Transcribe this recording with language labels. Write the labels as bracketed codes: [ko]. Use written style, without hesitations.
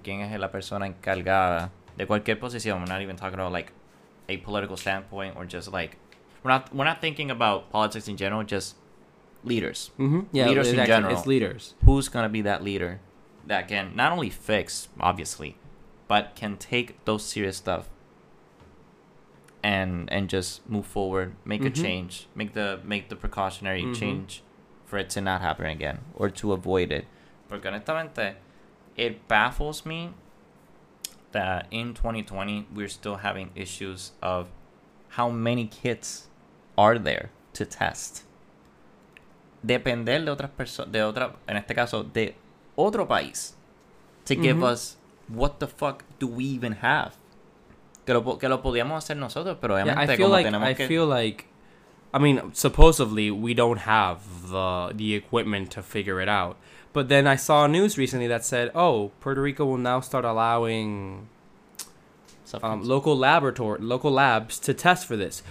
[es] ¿Quién es la persona encargada de cualquier posición? [en] We're not even talking about like a political standpoint or just like, we're not thinking about politics in general, just leaders. Mm-hmm. Yeah, leaders in general. It's leaders. Who's going to be that leader that can not only fix, obviously, but can take those serious stuff and just move forward, make mm-hmm. a change, make the precautionary mm-hmm. change for it to not happen again or to avoid it. [es] Porque honestamente, [en] it baffles me that in 2020, we're still having issues of how many kits are there to test. [es] Depender de otras personas, de otra, en este caso, de otro país, [en] to give mm-hmm. us what the fuck do we even have? [es] Que lo podíamos hacer nosotros, pero obviamente [en] yeah, I feel [es] como [en] like, [es] tenemos [en] I [es] que... [en] I feel like, I mean, supposedly we don't have the equipment to figure it out. But then I saw news recently that said, oh, Puerto Rico will now start allowing local labs to test for this.